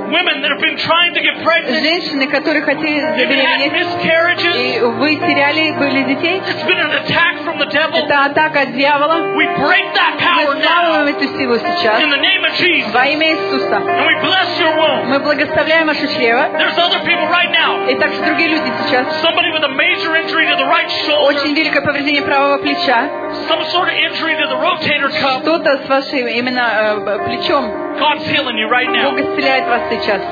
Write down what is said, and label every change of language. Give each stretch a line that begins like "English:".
Russian: Женщины, которые хотели забеременеть, и вы теряли, были детей.
English: from the devil.
Russian: Это атака от дьявола.
English: We break that power now.
Russian: Мы сломаем эту силу сейчас.
English: In the name of Jesus.
Russian: Во имя Иисуса.
English: And we bless your womb.
Russian: Мы благословляем ваше чрево.
English: There's other people right now.
Russian: И также другие люди сейчас.
English: Somebody with a major injury to the right shoulder.
Russian: Очень великое повреждение правого плеча.
English: Some sort of injury to the rotator cuff.
Russian: Что-то с вашим именно плечом.
English: God's healing you right now.
Russian: Бог исцеляет вас сейчас.